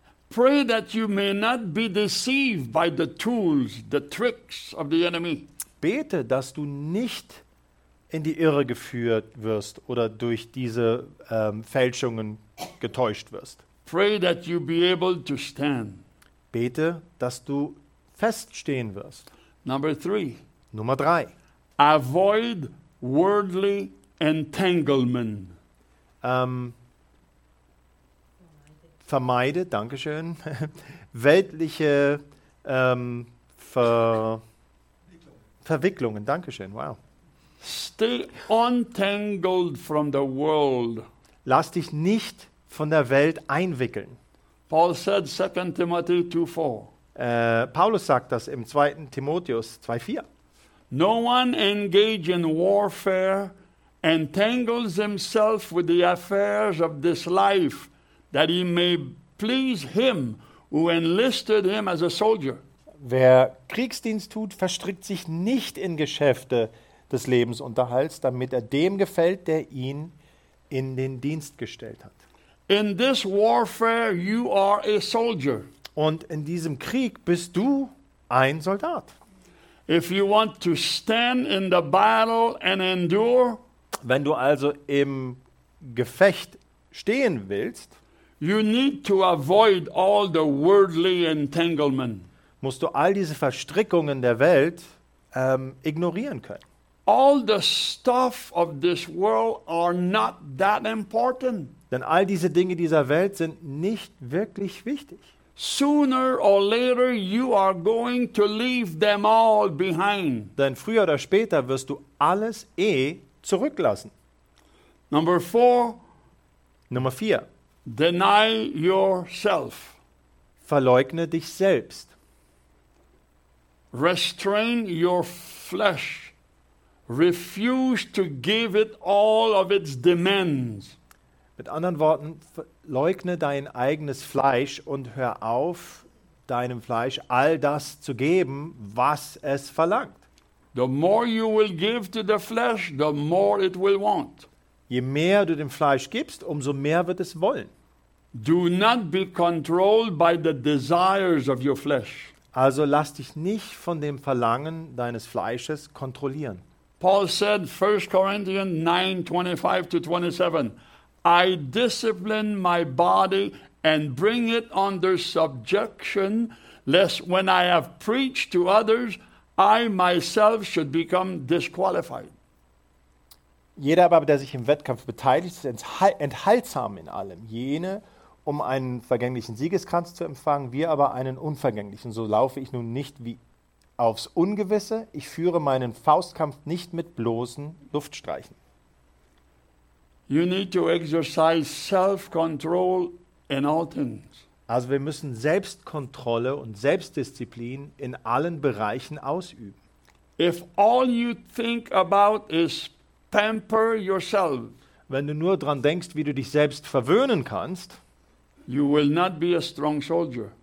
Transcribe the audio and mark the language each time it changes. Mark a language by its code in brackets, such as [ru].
[en] Pray that you may not be deceived by the tools, the tricks of the enemy. [de] Bete, dass du nicht in die Irre geführt wirst oder durch diese Fälschungen getäuscht wirst. [en] Pray that you be able to stand. [de] Bete, dass du feststehen wirst. [en] Number 3. [de] Nummer 3. [en] Avoid worldly entanglement. [de] Vermeide, danke schön, weltliche Verwicklungen, danke schön, wow. [en] Stay untangled from the world. [de] Lass dich nicht von der Welt einwickeln. [en] Paul said 2 Timothy 2:4. [de] Paulus sagt das im 2. Timotheus 2:4. [en] No one engage in warfare entangles himself with the affairs of this life, that he may please him who enlisted him as a soldier. [de] Wer Kriegsdienst tut, verstrickt sich nicht in Geschäfte des Lebensunterhalts, damit er dem gefällt, der ihn in den Dienst gestellt hat. [en] In this warfare you are a soldier. [de] Und in diesem Krieg bist du ein Soldat. [en] If you want to stand in the battle and endure, [de] wenn du also im Gefecht stehen willst, [en] you need to avoid all the worldly entanglement. [de] Musst du all diese Verstrickungen der Welt ignorieren können. [en] All the stuff of this world are not that important. [de] Denn all diese Dinge dieser Welt sind nicht wirklich wichtig. [en] Sooner or later you are going to leave them all behind. [de] Denn früher oder später wirst du alles zurücklassen. [en] Number 4. [de] Nummer 4. [en] Deny yourself. [de] Verleugne dich selbst. [en] Restrain your flesh. Refuse to give it all of its demands. [de] Mit anderen Worten, leugne dein eigenes Fleisch und hör auf, deinem Fleisch all das zu geben, was es verlangt. [en] The more you will give to the flesh, the more it will want. [de] Je mehr du dem Fleisch gibst, umso mehr wird es wollen. [en] Do not be controlled by the desires of your flesh. [de] Also lass dich nicht von dem Verlangen deines Fleisches kontrollieren. [en] Paul said 1 Corinthians 9:25 to 27, I discipline my body and bring it under subjection, lest when I have preached to others, I myself should become disqualified. [de] Jeder aber, der sich im Wettkampf beteiligt, ist enthaltsam in allem. Jene, um einen vergänglichen Siegeskranz zu empfangen, wir aber einen unvergänglichen. So laufe ich nun nicht wie aufs Ungewisse. Ich führe meinen Faustkampf nicht mit bloßen Luftstreichen. [en] You need to exercise self-control in all things. [de] Also wir müssen Selbstkontrolle und Selbstdisziplin in allen Bereichen ausüben. [en] If all you think about is pamper yourself, [de] wenn du nur dran denkst, wie du dich selbst verwöhnen kannst, [en] you will not be a strong soldier.